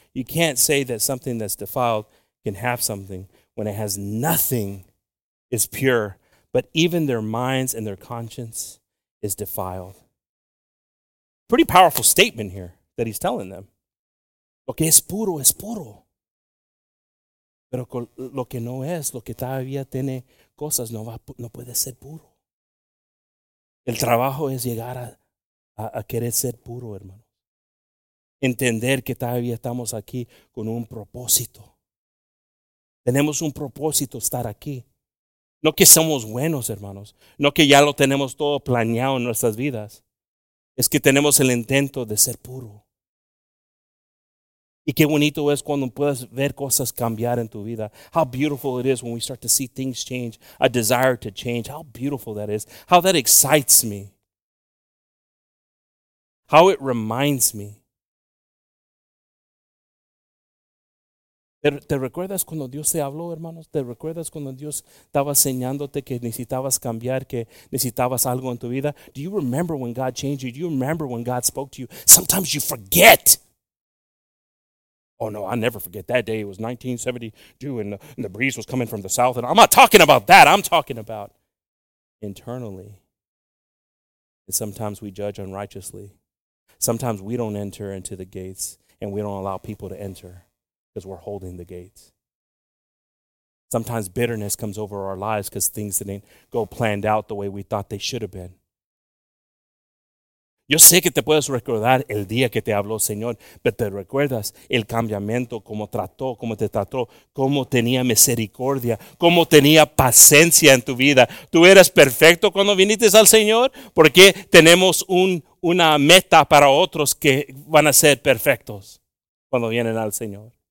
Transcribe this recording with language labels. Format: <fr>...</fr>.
<en>You can't say that something that's defiled can have something when it has nothing is pure. But even their minds and their conscience is defiled. Pretty powerful statement here that he's telling them.</en> <es>Lo que es puro es puro. Pero lo que no es, lo que todavía tiene cosas, no puede ser puro. El trabajo es llegar a querer ser puro, hermano. Entender que todavía estamos aquí con un propósito. Tenemos un propósito estar aquí. No que somos buenos, hermanos. No que ya lo tenemos todo planeado en nuestras vidas. Es que tenemos el intento de ser puro. Y qué bonito es cuando puedes ver cosas cambiar en tu vida.</es> <en>How beautiful it is when we start to see things change, a desire to change. How beautiful that is. How that excites me. How it reminds me.</en> <es>¿Te recuerdas cuando Dios te habló, hermanos? ¿Te recuerdas cuando Dios estaba enseñándote que necesitabas cambiar, que necesitabas algo en tu vida?</es> <en>Do you remember when God changed you? Do you remember when God spoke to you? Sometimes you forget. Oh, no, I never forget that day. It was 1972 and the breeze was coming from the south. And I'm not talking about that. I'm talking about internally. And sometimes we judge unrighteously. Sometimes we don't enter into the gates and we don't allow people to enter. Because we're holding the gates. Sometimes bitterness comes over our lives because things didn't go planned out the way we thought they should have been.</en> <es>Yo sé que te puedes recordar el día que te habló, Señor, pero te recuerdas el cambiamiento, cómo trató, cómo te trató, cómo tenía misericordia, cómo tenía paciencia en tu vida. ¿Tú eras perfecto cuando viniste al Señor? Porque tenemos una meta para otros que van a ser perfectos cuando vienen al Señor.</es>